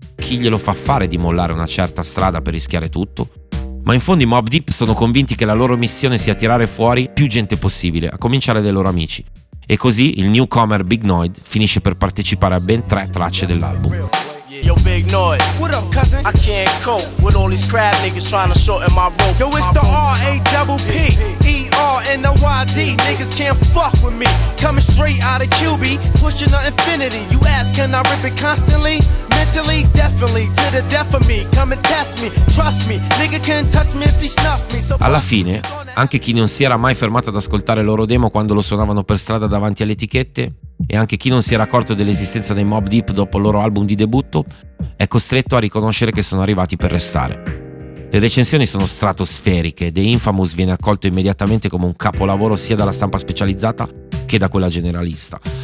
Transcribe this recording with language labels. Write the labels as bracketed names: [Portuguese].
[Italian] Chi glielo fa fare di mollare una certa strada per rischiare tutto? Ma in fondo i Mobb Deep sono convinti che la loro missione sia tirare fuori più gente possibile, a cominciare dai loro amici. E così il newcomer Big Noid finisce per partecipare a ben 3 tracce dell'album. [English] Yo, Big Noid. What up, cousin? I can't cope with all these crab niggas trying to shorten my rope. Yo, it's the RAPPER and the YD. Niggas can't fuck with me. Coming straight out of QB, pushing the infinity. You ask, can I rip it constantly? Mentally, definitely. To the death of me. Come and test me. Trust me. Nigga can't touch me if he snuff me. [Italian] So alla fine, anche chi non si era mai fermato ad ascoltare il loro demo quando lo suonavano per strada davanti alle etichette, e anche chi non si era accorto dell'esistenza dei Mobb Deep dopo il loro album di debutto, è costretto a riconoscere che sono arrivati per restare. Le recensioni sono stratosferiche, The Infamous viene accolto immediatamente come un capolavoro sia dalla stampa specializzata che da quella generalista.